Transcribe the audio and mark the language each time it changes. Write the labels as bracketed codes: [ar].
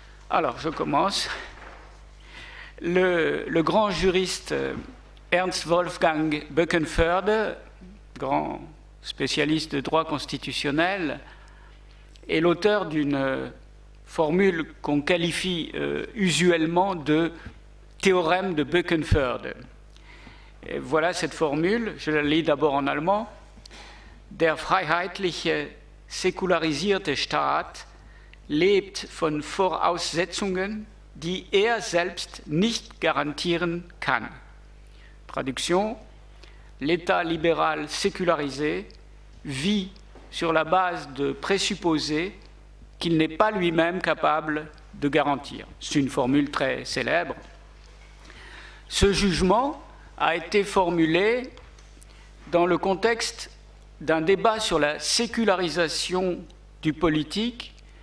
[fr] Alors, je commence. Le grand juriste Ernst Wolfgang Beckenförde, grand spécialiste de droit constitutionnel, est l'auteur d'une formule qu'on qualifie usuellement de théorème de Beckenförde. Et voilà cette formule, je la lis d'abord en allemand. [de] Der freiheitliche, säkularisierte Staat lebt von Voraussetzungen, die selbst nicht garantieren kann. [fr] Traduction, l'État libéral sécularisé vit sur la base de présupposés qu'il n'est pas lui-même capable de garantir. C'est une formule très célèbre. Ce jugement a été formulé dans le contexte d'un débat sur la sécularisation du politique.